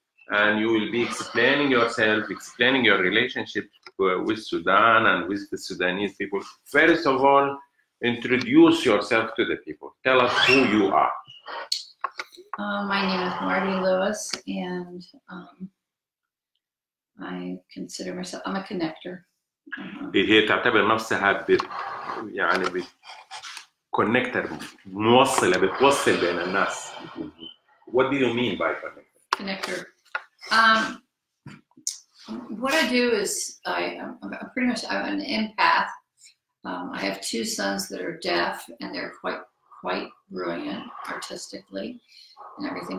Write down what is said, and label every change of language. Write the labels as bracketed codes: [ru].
[en] And you will be explaining yourself, explaining your relationship with Sudan and with the Sudanese people. First of all, introduce yourself to the people. Tell us who you are. My name is Marty Lewis, and I consider myself, I'm a connector. [ar] هي تعتبر نفسها يعني connector، موصلة، بتوصل بين الناس. [en] What do you mean by connector? Connector. What I do is I'm an empath. I have two sons that are deaf, and they're quite brilliant artistically and everything.